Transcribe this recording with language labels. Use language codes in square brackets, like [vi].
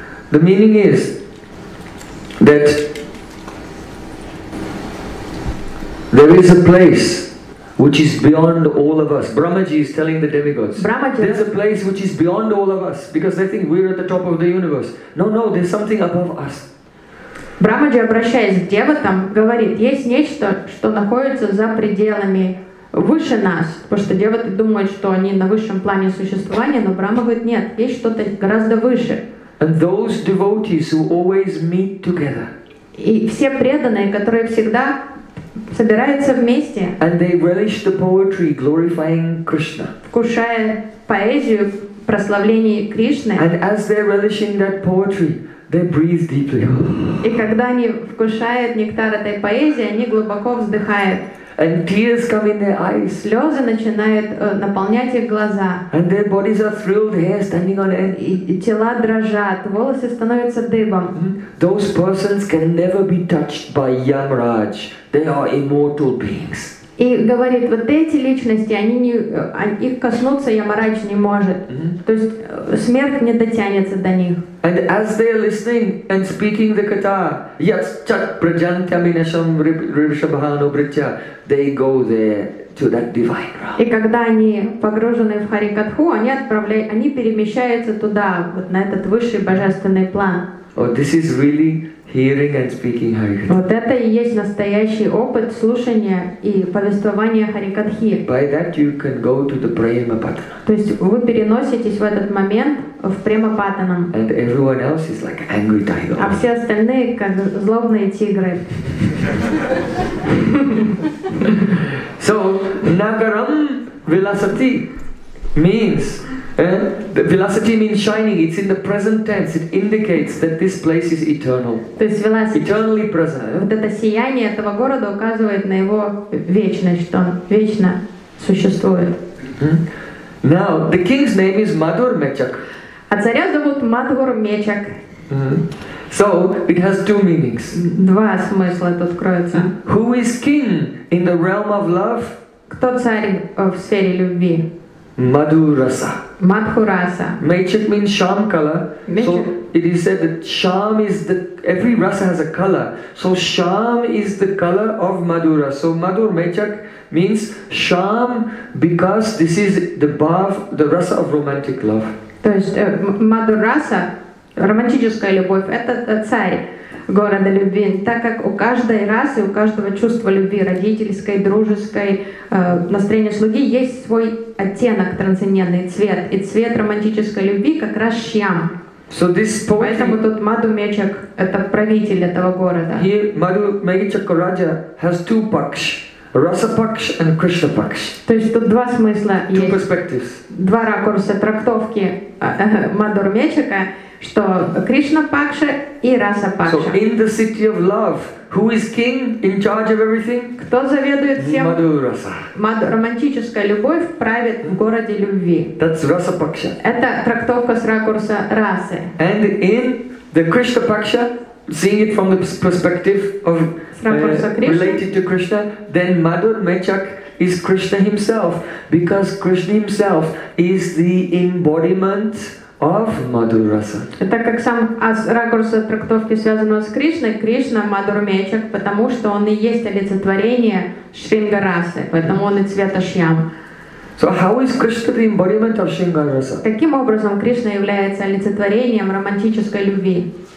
[en] The meaning is that there is a place which is beyond all of us. Brahmaji is telling the demigods. Brahmaji. There's a place which is beyond all of us because they think we're at the top of the universe. No, no, there's something above us. [ru] Brahmaji, обращаясь к девотам, говорит, есть нечто, что находится за пределами выше нас, потому что деваты думают, что они на высшем плане существования, но Брахма говорит, нет, есть что-то гораздо выше. [en] And those devotees who always meet together. [ru] И все преданные, которые всегда собираются вместе, [en] and they relish the poetry glorifying Krishna. [ru] Вкушая поэзию прославления Кришны, [en] and as they're relishing that poetry, they breathe deeply. [ru] И когда они вкушают нектар этой поэзии, они глубоко вздыхают. [en] And tears come in their eyes. [ru] Слезы начинают наполнять их глаза. [en] And their bodies are thrilled, hair standing on end. [ru] И тела дрожат, волосы становятся дыбом. [en] Those persons can never be touched by Yamraj. They are immortal beings. [ru] И говорит, вот эти личности, они не, их коснуться Ямарадж не может. То есть смерть не дотянется до них. [en] And as they are listening and speaking the kata, yes, [sa] chat prajantyaminasham ribshabhano britya, [en] they go there to that divine realm. [ru] И когда они погружены в харикатху, они перемещаются туда, вот на этот высший божественный план. [en] Oh, this is really hearing and speaking Harikatha. [ru] Вот это и есть настоящий опыт слушания и повествования Харикатхи. [en] By that you can go to the Prema Patana. [ru] То есть вы переноситесь в этот момент в Prema Patana. [en] And everyone else is like angry tiger. [ru] А все остальные как злобные тигры. [en] So Nagaram Vilasati means. The velocity means shining. It's in the present tense. It indicates that this place is eternal. [ru] То есть velocity. [en] Eternally present. [ru] Вот это сияние этого города указывает на его вечность, что он вечно существует. [en] Now the king's name is Madhur Mechak. [ru] А царя зовут Мадхур Мечак. [en] So it has two meanings. [ru] Два смысла тут кроется. [en] Who is king in the realm of love? [ru] Кто царь в сфере любви? [en] Madhurasa. [ru] Madhurasa. [en] Mechak means sham color. So it is said that sham is the, every rasa has a color. So sham is the color of madhura. So madhur mechak means sham because this is the bath, the rasa of romantic love. [ru] То есть madhurasa, романтическая любовь, это царь города любви, так как у каждой расы, у каждого чувства любви, родительской, дружеской, настроения слуги, есть свой оттенок трансцендентный, цвет. И цвет романтической любви как раз шьям. [en] So this poetry, [ru] поэтому тут Мадху Мечак – это правитель этого города. [en] Here Мадху Мечак Раджа has two paksh, rasa paksh and krishna paksh. [ru] То есть тут два смысла [en] two [ru] есть. [en] Two perspectives. [ru] Два ракурса трактовки Мадху Мечака. что Кришна Пакша и Раса Пакша. [en] So in the city of love, who is king in charge of everything? [ru] Кто заведует всем? Мадхура-раса. Романтическая любовь правит в городе любви. [en] That's Rasa Paksha. [ru] Это трактовка с ракурса расы. [en] And in the Krishna Paksha, seeing it from the perspective of related to Krishna, then Madhur Mechak is Krishna himself, because Krishna himself is the embodiment of Madhur Rasa. [ru] Это как сам ракурс трактовки связанного с Кришной, Кришна Мадхур Мечак, потому что он и есть олицетворение Шринга Расы, поэтому он и цвета Шьям. [en] So how is Krishna the embodiment of Шринга Раса? [ru] Каким образом Кришна является олицетворением романтической любви?